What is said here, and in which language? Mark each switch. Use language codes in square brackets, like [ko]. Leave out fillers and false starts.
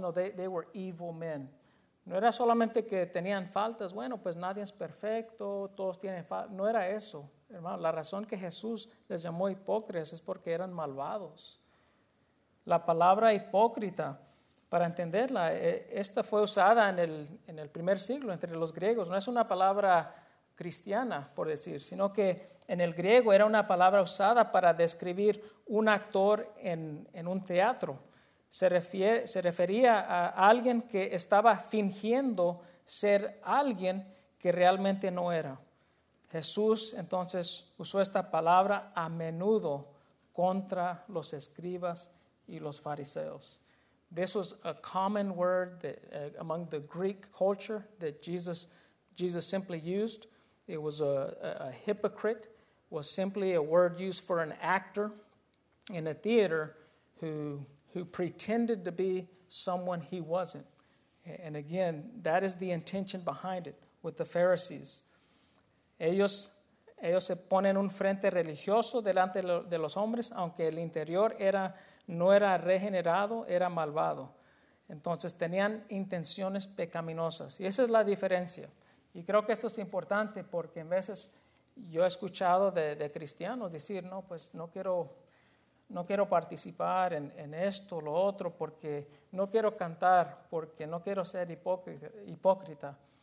[en] No, they were evil men. [es] No era solamente que tenían faltas. Bueno, pues nadie es perfecto, todos tienen faltas. No era eso. Hermano, la razón que Jesús les llamó hipócritas es porque eran malvados. La palabra hipócrita, para entenderla, esta fue usada en el primer siglo entre los griegos. No es una palabra cristiana, por decir, sino que en el griego era una palabra usada para describir un actor en un teatro. Se refería a alguien que estaba fingiendo ser alguien que realmente no era. Jesús entonces usó esta palabra a menudo contra los escribas y los fariseos. [en] This was a common word among the Greek culture that Jesus simply used. It was a hypocrite, was simply a word used for an actor in a theater who pretended to be someone he wasn't. And again, that is the intention behind it with the Pharisees. [es] Ellos se ponen un frente religioso delante de los hombres, aunque el interior no era regenerado, era malvado. Entonces tenían intenciones pecaminosas. Y esa es la diferencia. Y creo que esto es importante porque en veces yo he escuchado de cristianos decir, no, pues no quiero participar en esto o lo otro porque no quiero cantar, porque no quiero ser hipócrita.